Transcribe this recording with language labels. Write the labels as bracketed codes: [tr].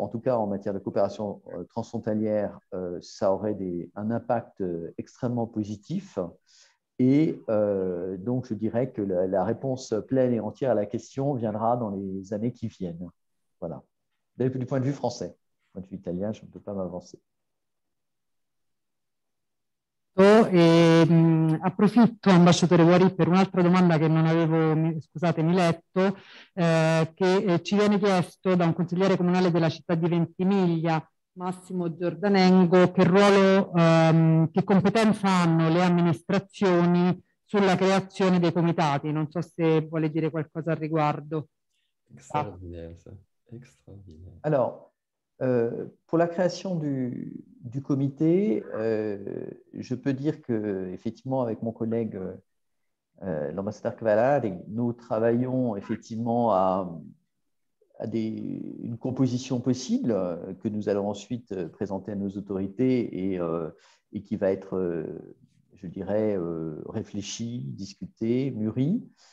[fr] En tout cas, en matière de coopération transfrontalière, ça aurait un impact extrêmement positif. Et donc, je dirais que la réponse pleine et entière à la question viendra dans les années qui viennent. Voilà. Du point de vue français. Quand je suis italien, je ne peux pas m'avancer. [it] Approfitto, ambasciatore Guarì, per un'altra domanda che non avevo, scusatemi, letto, che ci viene chiesto da un consigliere comunale della città di Ventimiglia, Massimo Giordanengo, che ruolo, che competenza hanno le amministrazioni sulla creazione dei comitati. Non so se vuole dire qualcosa al riguardo. [fr] Extraordinaire. Allora, pour la création du comité, je peux dire que, effectivement, avec mon collègue l'ambassadeur Cavallari, nous travaillons effectivement à une composition possible que nous allons ensuite présenter à nos autorités et qui va être, je dirais, réfléchie, discutée, mûrie.